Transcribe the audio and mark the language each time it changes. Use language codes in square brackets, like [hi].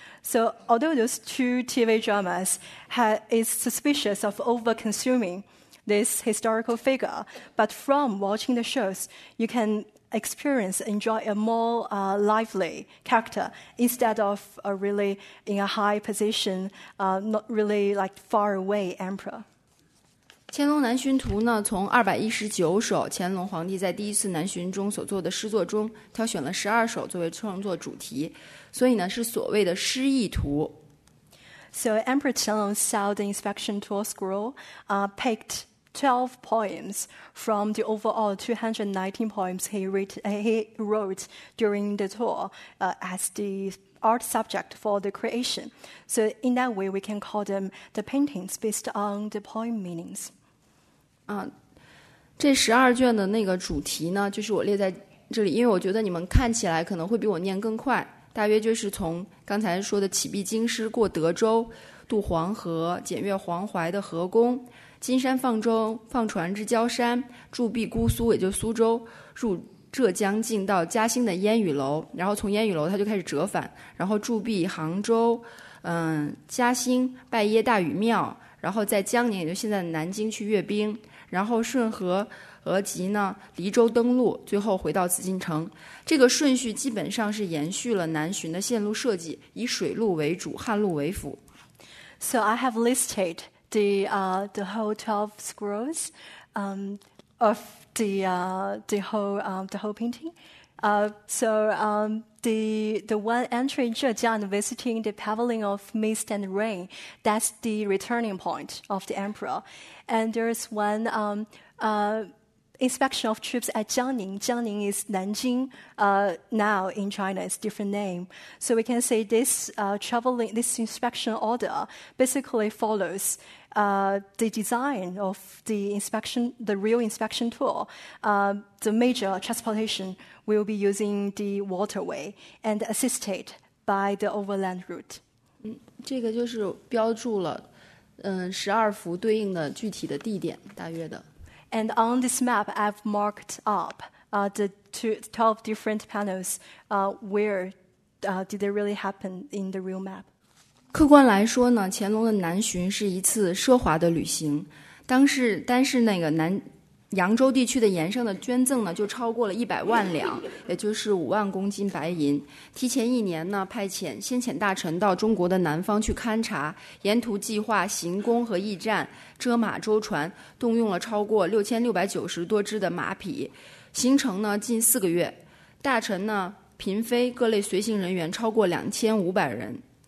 [en] So although those two TV dramas is suspicious of over-consuming this historical figure, but from watching the shows, you can experience, enjoy a more lively character instead of a really in a high position, not really like far away emperor. [zh] 《乾隆南巡图》呢，从219首乾隆皇帝在第一次南巡中所作的诗作中挑选了12首作为创作主题，所以呢是所谓的诗意图。 [en] So Emperor Qianlong's Southern Inspection Tour scroll picked 12 poems from the overall 219 poems he wrote during the tour as the art subject for the creation. So in that way, we can call them the paintings based on the poem meanings. [zh] 这十二卷的那个主题呢，就是我列在这里，因为我觉得你们看起来可能会比我念更快，大约就是从刚才说的启闭京师过德州，渡黄河，检阅黄淮的河宫，金山放船之礁山，驻跸姑苏，也就苏州，入浙江境到嘉兴的烟雨楼，然后从烟雨楼他就开始折返，然后驻跸杭州，嘉兴拜耶大禹庙，然后在江宁，也就现在的南京去阅兵，然后顺河而及呢黎州登陆，最后回到紫禁城。这个顺序基本上是延续了南巡的线路设计，以水路为主，汉路为辅。 [en] So I have listed the whole 12 scrolls, of the whole painting. The one entering Zhejiang, visiting the Pavilion of Mist and Rain, that's the returning point of the emperor. And there's one inspection of troops at Jiangning. Jiangning is Nanjing now in China, it's a different name. So we can say this inspection order basically follows the design of the real inspection tour. The major transportation will be using the waterway and assisted by the overland route. [zh] 这个就是标注了十二幅对应的具体的地点大约的。 [en] And on this map, I've marked up the 12 different panels where did they really happen in the real map. [zh] 客观来说呢，乾隆的南巡是一次奢华的旅行。但是那个南扬州地区的盐商的捐赠呢，就超过了100万两，也就是50000公斤白银。提前一年呢，派遣先遣大臣到中国的南方去勘察，沿途计划行宫和驿站，遮马舟船，动用了超过6690多只的马匹，行程呢近4个月，大臣呢、嫔妃、各类随行人员超过2500人。